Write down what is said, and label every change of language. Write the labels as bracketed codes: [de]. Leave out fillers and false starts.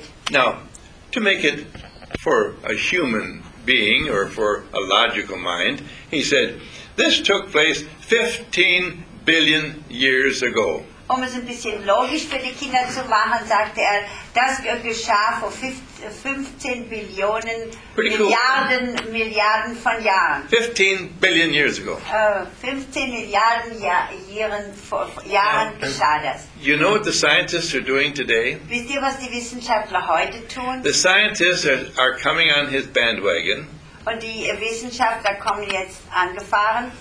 [en] Now, to make it for a human being or for a logical mind, he said, this took place 15 billion years ago. [de] Um es ein bisschen logisch für die Kinder zu machen, sagte er, das geschah vor 15 Billionen, Milliarden, [en] cool. [de] Milliarden von Jahren. [en] 15 billion years ago. [de] 15 Milliarden Jahren geschah das. [en] You know what the scientists are doing today? [de] Wisst ihr, was die Wissenschaftler heute tun? [en] The scientists are coming on his bandwagon. [de] Und die Wissenschaftler kommen jetzt angefahren.